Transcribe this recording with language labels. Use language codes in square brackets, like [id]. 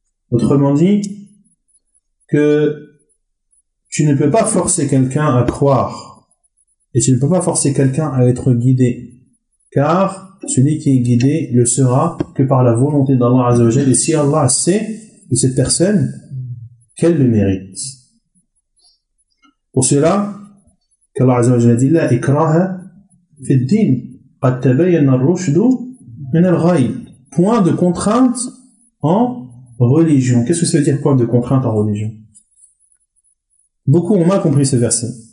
[fr] Autrement dit, que tu ne peux pas forcer quelqu'un à croire, et tu ne peux pas forcer quelqu'un à être guidé, car celui qui est guidé le sera que par la volonté d'Allah Azza wa Jal, et si Allah sait de cette personne qu'elle le mérite. Pour cela, qu'Allah Azza wa Jal a dit, [ar] لا إكراه في الدين قد تبين الرشد من الغي. [fr] Point de contrainte en religion. Qu'est-ce que ça veut dire point de contrainte en religion? Beaucoup ont mal compris ce verset.